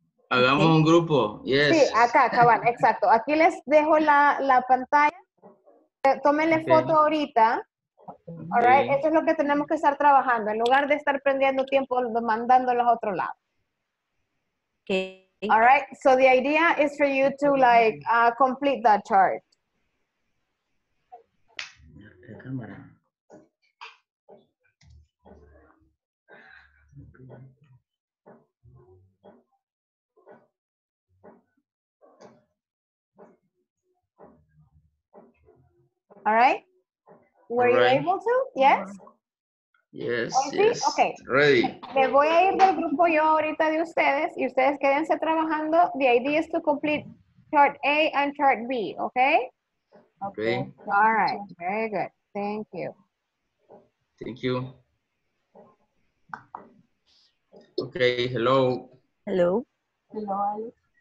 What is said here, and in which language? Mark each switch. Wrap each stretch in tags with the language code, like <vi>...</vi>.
<es>Hagamos un grupo, yes. Sí, acá, cabal, exacto. Aquí les dejo la pantalla. Tómenle foto ahorita.</es> <en>All right.</en> <es>Eso es lo que tenemos que estar trabajando, en lugar de estar perdiendo tiempo mandándolos a otro lado.</es> <en>Okay. All right. So the idea is for you to like complete that chart. All right. Were you able to? Yes? Yes, yes. Okay. Ready.</en> <es>Me voy a ir del grupo yo ahorita de ustedes y ustedes quédense trabajando.</es> <en>The idea is to complete chart A and chart B, okay? Okay. Okay. All right. Very good. Thank you. Thank you. Okay, hello. Hello. Hello.</en>